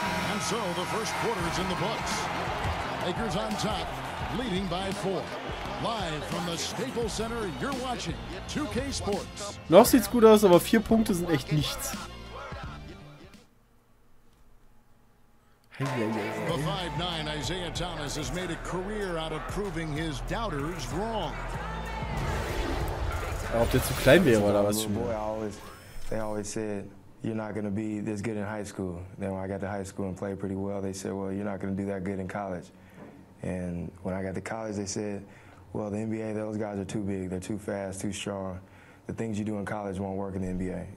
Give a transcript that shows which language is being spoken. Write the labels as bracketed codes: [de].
[en] And so the first quarter is in the books. Lakers on top, leading by four. Live from the Staples Center, you're watching 2K Sports. [de] Noch sieht's gut aus, aber vier Punkte sind echt nichts. [en] The 5'9 Isaiah Thomas has made a career out of proving his doubters wrong. [de] Ob der zu klein wäre oder was schon. [en] They always said, you're not going to be this good in high school. Then when I got to high school and played pretty well, they said, well, you're not going to do that good in college. And when I got to college, they said, well, the NBA, those guys are too big. They're too fast, too strong. The things you do in college won't work in the NBA.